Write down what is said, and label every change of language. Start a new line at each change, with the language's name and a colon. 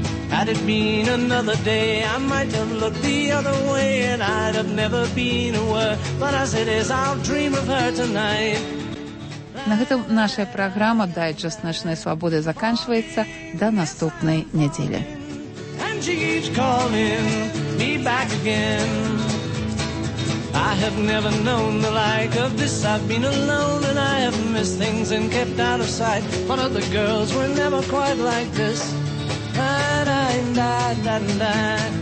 English: Had it been another day, I might have looked the other way and I'd have never been aware. But as it is, I'll dream of her tonight.
Belarusian: На гэтым наша праграма «Дайджэст начной свабоды» заканчваецца. До наступнай недзелі.
English: She keeps calling me back again. I have never known the like of this. I've been alone and I have missed things and kept out of sight. But other girls were never quite like this. Da-da-da-da-da.